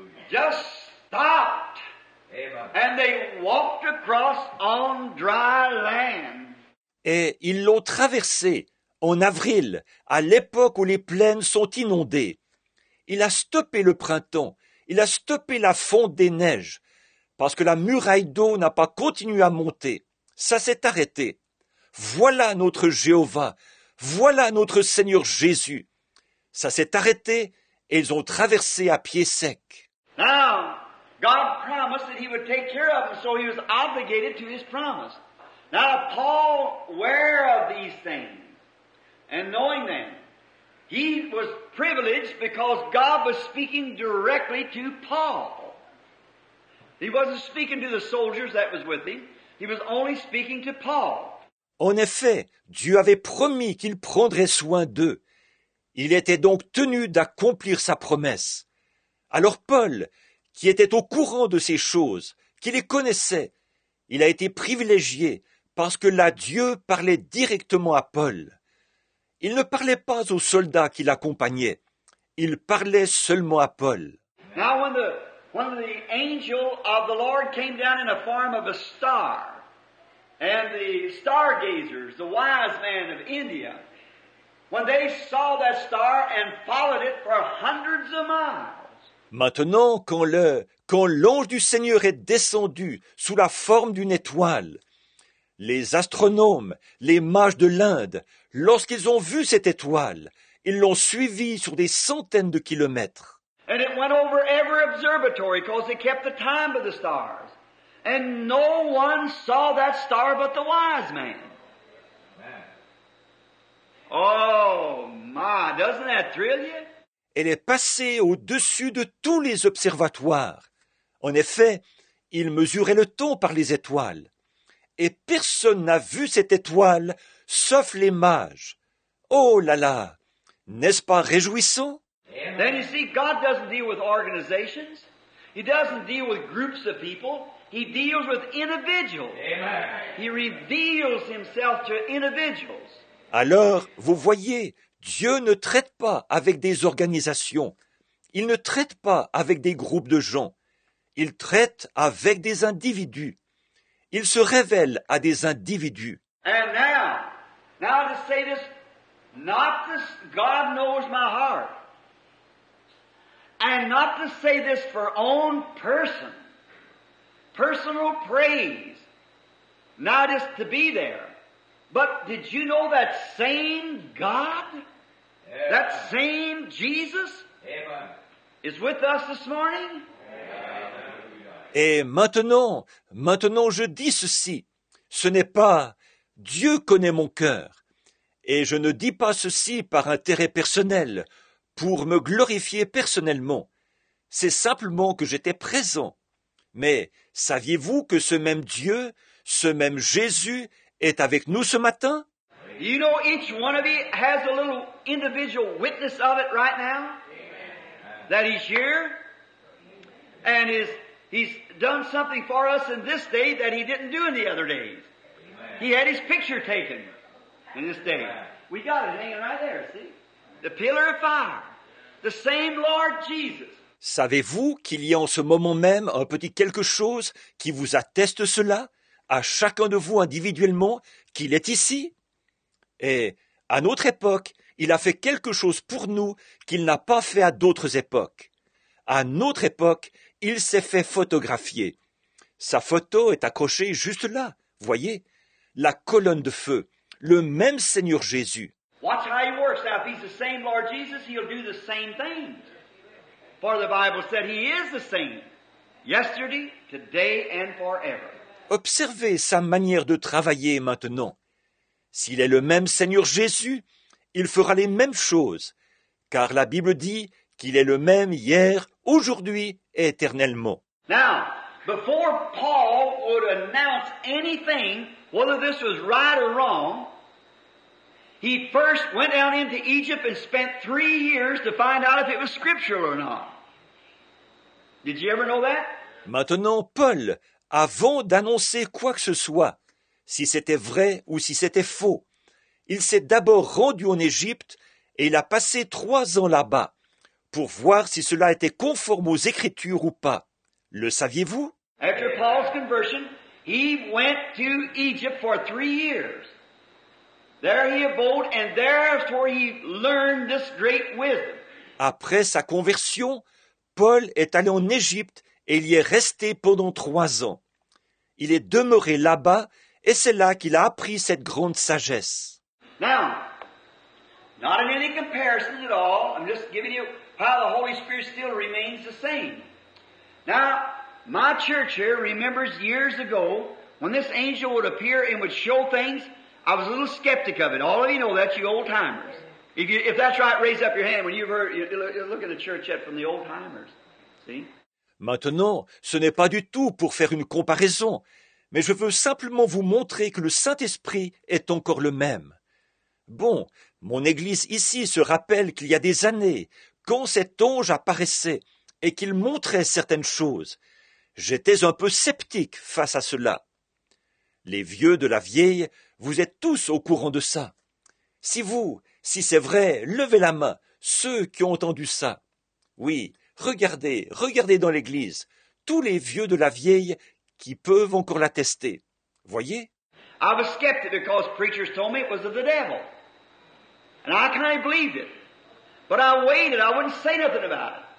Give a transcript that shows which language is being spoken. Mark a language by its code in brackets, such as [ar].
[en] Just stopped. And they walked across on dry land. [fr] Et ils l'ont traversé en avril, à l'époque où les plaines sont inondées. Il a stoppé le printemps, il a stoppé la fonte des neiges, parce que la muraille d'eau n'a pas continué à monter. Ça s'est arrêté. Voilà notre Jéhovah, voilà notre Seigneur Jésus. Ça s'est arrêté et ils ont traversé à pied sec. [en] Now, God promised that he would take care of them, so he was obligated to his promise. Now, Paul, aware of these things and knowing them, he was privileged because God was speaking directly to Paul. He wasn't speaking to the soldiers that was with him. He was only speaking to Paul. [fr] En effet, Dieu avait promis qu'il prendrait soin d'eux. Il était donc tenu d'accomplir sa promesse. Alors Paul, qui était au courant de ces choses, qui les connaissait, il a été privilégié parce que là Dieu parlait directement à Paul. Il ne parlait pas aux soldats qui l'accompagnaient. Il parlait seulement à Paul. [en] Now when the angel of the Lord came down in the form of a star, and the stargazers, the wise men of India, when they saw that star and followed it for hundreds of miles. [fr] Maintenant, quand l'ange du Seigneur est descendu sous la forme d'une étoile, les astronomes, les mages de l'Inde, lorsqu'ils ont vu cette étoile, ils l'ont suivie sur des centaines de kilomètres. [en] And it went over every observatory because they kept the time of the stars. And no one saw that star but the wise man. Oh my, doesn't that thrill you? [fr] Elle est passée au-dessus de tous les observatoires. En effet, ils mesuraient le temps par les étoiles. Et personne n'a vu cette étoile, sauf les mages. Oh là là, n'est-ce pas réjouissant? [en] Then you see, God doesn't deal with organizations. He doesn't deal with groups of people. He deals with individuals. Amen. He reveals himself to individuals. [fr] Alors, vous voyez, Dieu ne traite pas avec des organisations. Il ne traite pas avec des groupes de gens. Il traite avec des individus. Il se révèle à des individus. [en] And now to say this, not this, God knows my heart. And not to say this for own person, personal praise, not just to be there. But did you know that same God? Amen. That same Jesus? Amen. Is with us this morning? Amen. [fr] Et maintenant je dis ceci. Ce n'est pas Dieu connaît mon cœur. Et je ne dis pas ceci par intérêt personnel, pour me glorifier personnellement. C'est simplement que j'étais présent. Mais saviez-vous que ce même Dieu, ce même Jésus, est avec nous ce matin? [en] You know, each one of you has a little individual witness of it right now. Amen. That he's here. And he's done something for us in this day that he didn't do in the other days. Amen. He had his picture taken in this day. Amen. We got it hanging right there, see? The pillar of fire. The same Lord Jesus. [fr] Savez-vous qu'il y a en ce moment même un petit quelque chose qui vous atteste cela, à chacun de vous individuellement, qu'il est ici? Et à notre époque, il a fait quelque chose pour nous qu'il n'a pas fait à d'autres époques. À notre époque, il s'est fait photographier. Sa photo est accrochée juste là, voyez, la colonne de feu, le même Seigneur Jésus. [en] Watch how he works. Now, if he's the same Lord Jesus, he'll do the same thing. For the Bible said he is the same, yesterday, today, and forever. [fr] Observez sa manière de travailler maintenant. S'il est le même Seigneur Jésus, il fera les mêmes choses, car la Bible dit qu'il est le même hier, aujourd'hui et éternellement. [en] Now, before Paul would announce anything, whether this was right or wrong, he first went down into Egypt and spent 3 years to find out if it was scriptural or not. Did you ever know that? [fr] Maintenant, Paul, avant d'annoncer quoi que ce soit, si c'était vrai ou si c'était faux. Il s'est d'abord rendu en Égypte et il a passé 3 ans là-bas pour voir si cela était conforme aux Écritures ou pas. Le saviez-vous? [en] After Paul's conversion, he went to Egypt for 3 years. There he abode and therefore he learned this great wisdom. [fr] Après sa conversion, Paul est allé en Égypte et il y est resté pendant 3 ans. Il est demeuré là-bas. Et c'est là qu'il a appris cette grande sagesse. [en] Now, not in any comparison at all, I'm just giving you how the Holy Spirit still remains the same. Now, my church here remembers years ago when this angel would appear and would show things, I was a little skeptic of it. All of you know that, you old timers. If that's right, raise up your hand when you've heard, you look at the church yet from the old timers. See? [fr] Maintenant, ce n'est pas du tout pour faire une comparaison. mais je veux simplement vous montrer que le Saint-Esprit est encore le même. Bon, mon église ici se rappelle qu'il y a des années, quand cet ange apparaissait et qu'il montrait certaines choses, j'étais un peu sceptique face à cela. Les vieux de la vieille, vous êtes tous au courant de ça. Si vous, si c'est vrai, levez la main, ceux qui ont entendu ça. Oui, regardez, regardez dans l'église, tous les vieux de la vieille qui peuvent encore l'attester. Voyez ? [en] I was skeptic because preachers told me it was of the devil. And I kind of believed it. But I waited, I wouldn't say nothing about it.